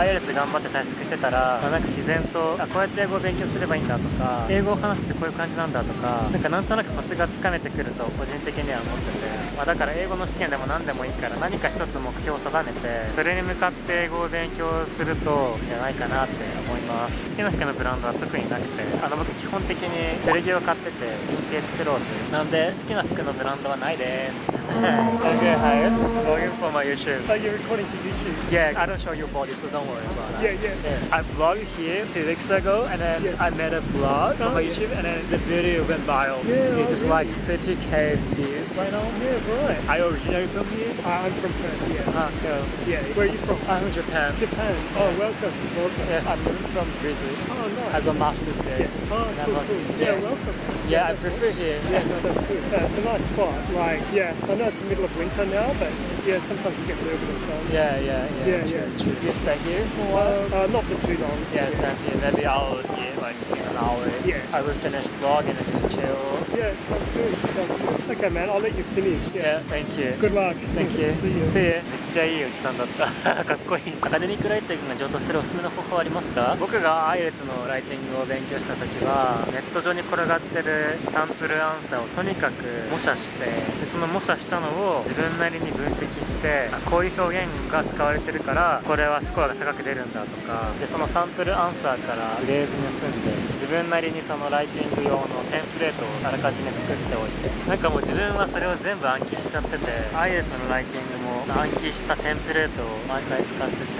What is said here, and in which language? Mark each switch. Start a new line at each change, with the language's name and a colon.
Japanese: アイエルツ頑張って対策してたら、まあ、なんか自然と、あ、こうやって英語を勉強すればいいんだとか、英語を話すってこういう感じなんだとか、なんかなんとなくコツがつかめてくると個人的には思ってて、まあ、だから英語の試験でも何でもいいから何か一つ目標を定めてそれに向かって英語を勉強するといいんじゃないかなって思います。好きな服のブランドは特になくて、あの、僕基本的に古着を買っててヴィンテージクローズなんで、好きな服のブランドはないです。
English: Okay, hi. It's vlogging for my YouTube. Are you recording to YouTube? Yeah, I don't show your body, so don't worry about that. Yeah. I vlogged here 2 weeks ago, and then I made a vlog on my YouTube, and then the video went viral. It's just like 30k views right now. Yeah, right. Are you originally from here? I'm from Perth, yeah. Yeah. Where are you from? I'm from Japan. Japan? Oh, yeah. Welcome. Yeah. I'm from Brazil. Oh, nice. I got master's there. Yeah. Oh, cool. Yeah, welcome. Yeah, I prefer here. Yeah, no, that's cool. It's a nice spot. Like, yeah. I know it's the middle of winter now, but yeah, sometimes you get a little bit of sun. Yeah. You stay here for a while? Not for too long. Yeah, same here. Maybe hours here, like an hour. Yeah. I will finish vlogging and just chill. Yeah, sounds good. Sounds good. Okay, man, I'll let you finish. Yeah, thank you. Good luck. Thank you. See you. See you.
Japanese: めっちゃいいおじさんだったかっこいい。アカデミックライティングが上達するおすすめの方法ありますか？僕がアイレツのライティングを勉強した時は、ネット上に転がってるサンプルアンサーをとにかく模写して、でその模写したのを自分なりに分析して、こういう表現が使われてるからこれはスコアが高く出るんだとか、でそのサンプルアンサーからフレーズ盗んで自分なりにそのライティング用のテンプレートをあらかじめ作っておいて、なんかもう自分はそれを全部暗記しちゃってて、アイレツのライティングも暗記したテンプレートを毎回使ってて、